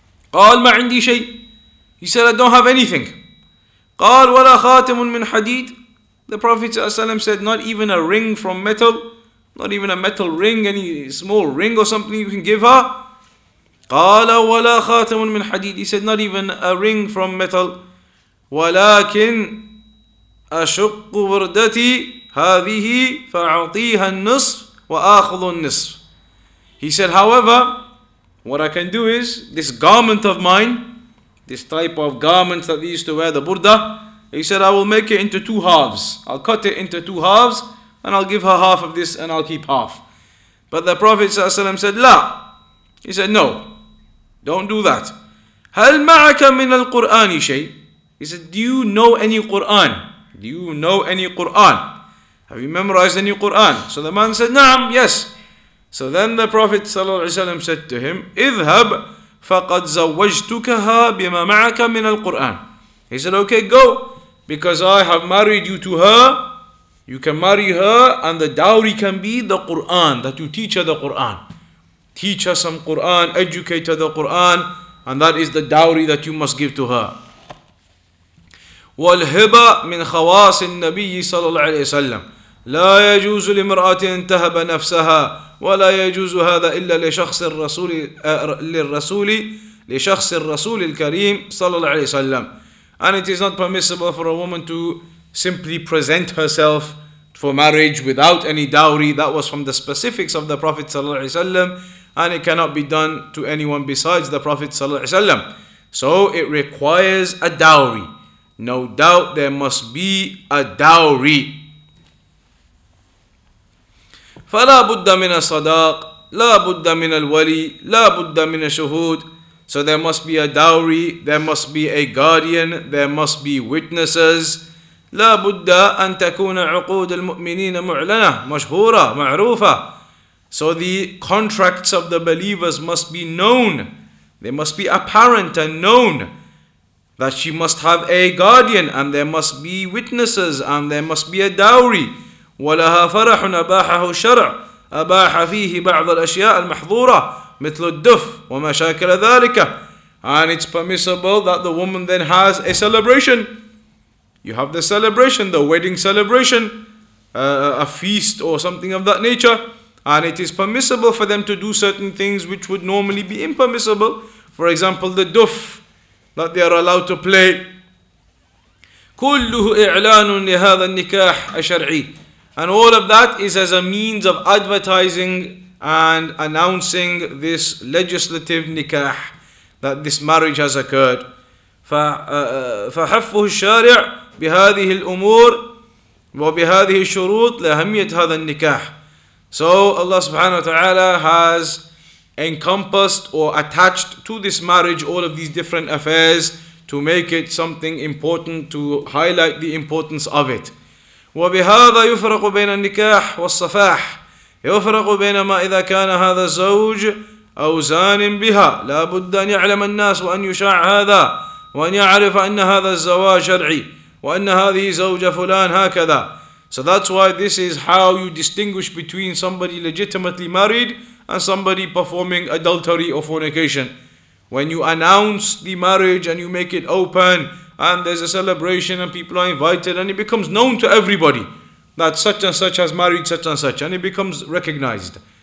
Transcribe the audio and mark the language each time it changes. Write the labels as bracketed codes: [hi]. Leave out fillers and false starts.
[ar] قال ما عندي شيء. [en] He said, I don't have anything. [ar] قال ولا خاتم من حديد. [en] The Prophet ﷺ said, not even a ring from metal. Not even a metal ring, any small ring or something you can give her. [ar] قال ولا خاتم من حديد. [en] He said, not even a ring from metal. [ar] ولكن أشق وردتي هذه فأعطيها النصف وآخذ النصف. [en] He said, however, what I can do is, this garment of mine, this type of garment that they used to wear, the burda, he said, I will make it into two halves. I'll cut it into two halves, and I'll give her half of this, and I'll keep half. But the Prophet ﷺ said, لا. He said, no, don't do that. [ar] هل معك من القرآن شيء? [en] He said, do you know any Qur'an? Do you know any Qur'an? Have you memorized any Qur'an? So the man said, نعم, yes. So then the Prophet ﷺ said to him, [ar] اذهب فقد زوجتكها بما معك من القرآن. [en] He said, okay, go, because I have married you to her. You can marry her, and the dowry can be the Qur'an, that you teach her the Qur'an. Teach her some Qur'an, educate her the Qur'an, and that is the dowry that you must give to her. [ar] والهبة من خواص النبي صلى الله عليه وسلم لا يجوز لامرأة أن تهب نفسها ولا يجوز هذا إلا لشخص الرسول الكريم صلى الله عليه وسلم. [en] And it is not permissible for a woman to simply present herself for marriage without any dowry. That was from the specifics of the Prophet sallallahu alaihi wasallam, and it cannot be done to anyone besides the Prophet sallallahu alaihi wasallam. So it requires a dowry. No doubt there must be a dowry. [ar] فلا بد من الصداق لا بد من الولي لا بد من الشهود. [en] So there must be a dowry, there must be a guardian, there must be witnesses. [ar] لا بد أن تكون عقود المؤمنين معلنة مشهورة معروفة. [en] So the contracts of the believers must be known. They must be apparent and known. That she must have a guardian, and there must be witnesses, and there must be a dowry. [ar] ولها فرح أباحه الشرع أباح فيه بعض الأشياء المحظورة مثل الدف ومشاكل ذلك. [en] And it's permissible that the woman then has a celebration. You have the celebration, the wedding celebration, a feast or something of that nature. And it is permissible for them to do certain things which would normally be impermissible. For example, the duf that they are allowed to play. [ar] كله إعلان لهذا النكاح الشرعي. [en] And all of that is as a means of advertising and announcing this legislative nikah, that this marriage has occurred. [ar] فحفه الشارع بهذه الأمور وبهذه الشروط لأهمية هذا النكاح. [en] So Allah subhanahu wa ta'ala has encompassed or attached to this marriage all of these different affairs to make it something important, to highlight the importance of it. [ar] وبهذا يفرق بين النكاح والصفاح. يفرق بين ما إذا كان هذا الزوج أو زان بها. لا بد أن يعلم الناس وأن يشاع هذا وأن يعرف أن هذا الزواج شرعي وأن هذه زوجة فلان هكذا. [en] So that's why this is how you distinguish between somebody legitimately married and somebody performing adultery or fornication. When you announce the marriage and you make it open, and there's a celebration and people are invited, and it becomes known to everybody that such and such has married such and such, and it becomes recognized.